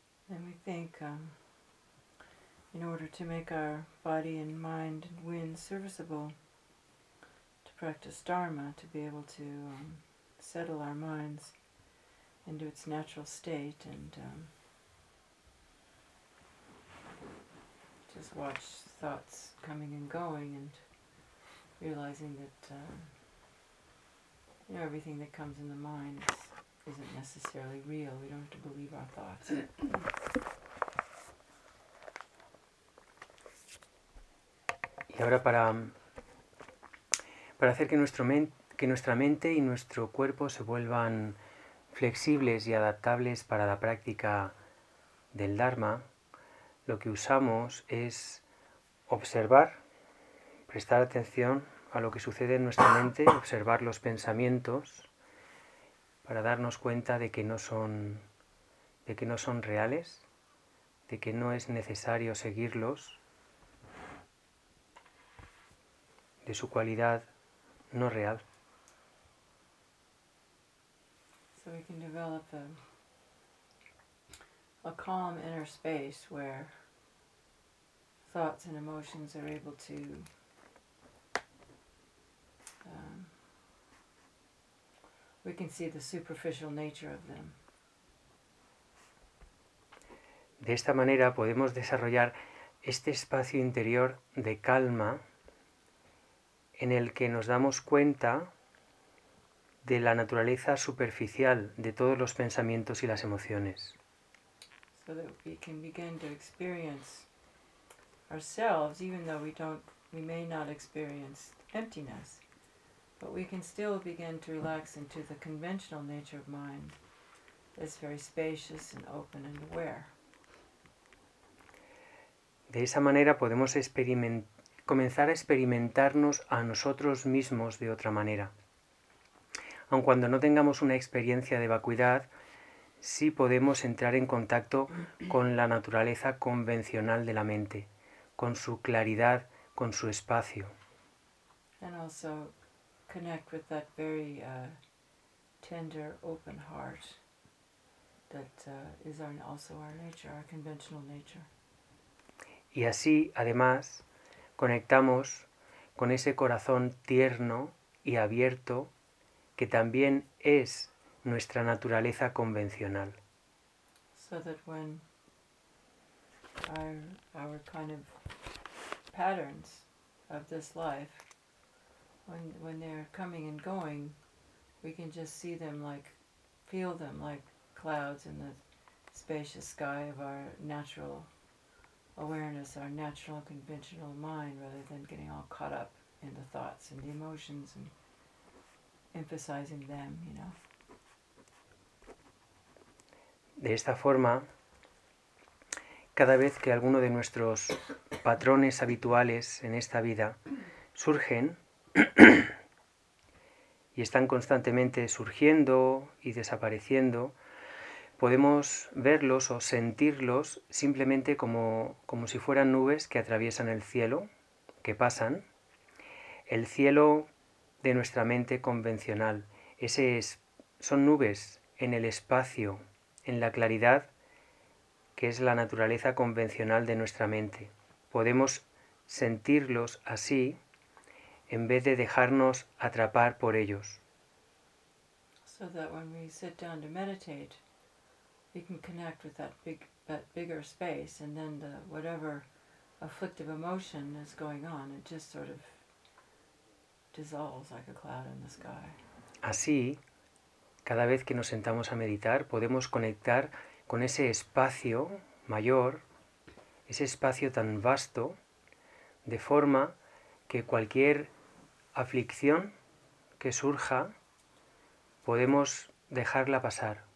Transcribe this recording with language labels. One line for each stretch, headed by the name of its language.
English: And we think, in order to make our body and mind and wind serviceable, to practice Dharma, to be able to settle our minds into its natural state and just watch thoughts coming and going and realizing that you know, everything that comes in the mind isn't necessarily real. We don't have to believe our thoughts.
Spanish: Y ahora para hacer que nuestra mente y nuestro cuerpo se vuelvan flexibles y adaptables para la práctica del Dharma, lo que usamos es observar, prestar atención a lo que sucede en nuestra mente, observar los pensamientos para darnos cuenta de que no son reales, de que no es necesario seguirlos, de su cualidad no real.
English: So we can develop a calm inner space where thoughts and emotions are able to we can see the superficial nature of them.
Spanish: De esta manera podemos desarrollar este espacio interior de calma en el que nos damos cuenta de la naturaleza superficial de todos los pensamientos y las emociones.
English: So that we can begin to experience ourselves, even though we may not experience emptiness, but we can still begin to relax into the conventional nature of mind that's very spacious and open and aware.
Spanish: De esa manera podemos comenzar a experimentarnos a nosotros mismos de otra manera. Aun cuando no tengamos una experiencia de vacuidad, sí podemos entrar en contacto con la naturaleza convencional de la mente, con su claridad, con su espacio.
English: And also connect with that very tender, open heart that is also our nature, our conventional nature.
Spanish: Y así, además, conectamos con ese corazón tierno y abierto que también es nuestra naturaleza convencional.
English: So that when our kind of patterns of this life, when they're coming and going, we can just see them like, feel them like clouds in the spacious sky of our natural awareness, our natural conventional mind, rather than getting all caught up in the thoughts and the emotions and emphasizing them, you know.
Spanish: De esta forma, cada vez que alguno de nuestros patrones habituales en esta vida surgen y están constantemente surgiendo y desapareciendo, podemos verlos o sentirlos simplemente como si fueran nubes que atraviesan el cielo, que pasan, el cielo de nuestra mente convencional. Son nubes en el espacio, en la claridad, que es la naturaleza convencional de nuestra mente. Podemos sentirlos así en vez de dejarnos atrapar por ellos.
English: So that when we sit down to meditate, we can connect with that bigger space, and then the whatever afflictive emotion is going on, it just sort of dissolves like a cloud in the sky.
Spanish: Así, cada vez que nos sentamos a meditar, podemos conectar con ese espacio mayor, ese espacio tan vasto, de forma que cualquier aflicción que surja, podemos dejarla pasar.